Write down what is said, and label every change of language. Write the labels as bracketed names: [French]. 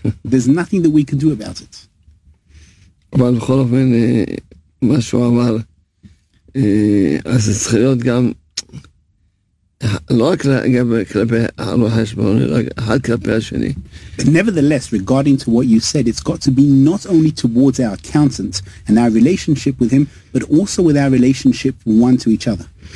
[English] There's nothing that we can do about it. [Hebrew] אבל בכל אופן, מה שהוא אמר, אז זה צריך להיות גם, לא רק כלפי הרואה חשבון, אלא אחד כלפי השני. [English] Nevertheless, regarding to what you said, it's got to be not only towards our accountant and our relationship with him, but also with our relationship one to each other.